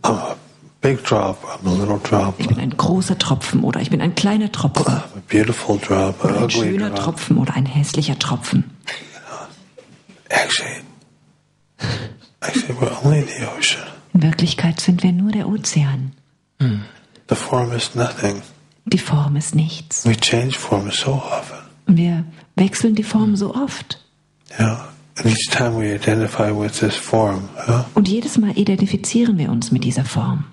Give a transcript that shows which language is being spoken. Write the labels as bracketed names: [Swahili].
[English] I'm a big drop, I'm a little drop. [German] Ich bin ein großer Tropfen oder ich bin ein kleiner Tropfen. [English] I'm a beautiful drop, [German] oder ein schöner [English] drop. [German] Tropfen oder ein hässlicher Tropfen. [English] Actually, we're only the ocean. [German] In Wirklichkeit sind wir nur der Ozean. Mm. [English] The form is nothing. [German] Die Form ist nichts. [English] We change form so often. [German] Wir wechseln die Form so oft. Ja. Yeah. [English] And each time we identify with this form, huh? [German] Und jedes Mal identifizieren wir uns mit dieser Form.